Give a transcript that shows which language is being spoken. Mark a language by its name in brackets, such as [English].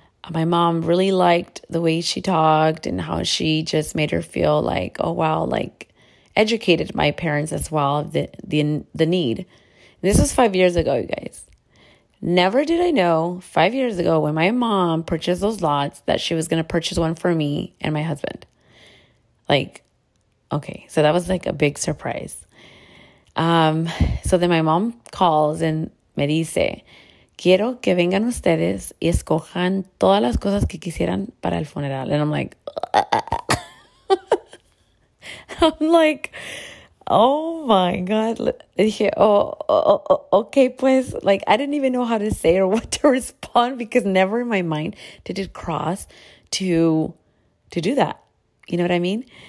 [English] My mom really liked the way she talked and how she just made her feel like, oh, wow, like educated my parents as well of the need. This was 5 years ago, you guys. Never did I know 5 years ago when my mom purchased those lots that she was going to purchase one for me and my husband. Like, okay. So that was like a big surprise. So then my mom calls and [Spanish] me dice, quiero que vengan ustedes y escojan todas las cosas que quisieran para el funeral. [English] And I'm like, I'm like, oh my God. [Spanish] Dije, [English] okay, pues, like, I didn't even know how to say or what to respond because never in my mind did it cross to do that. You know what I mean?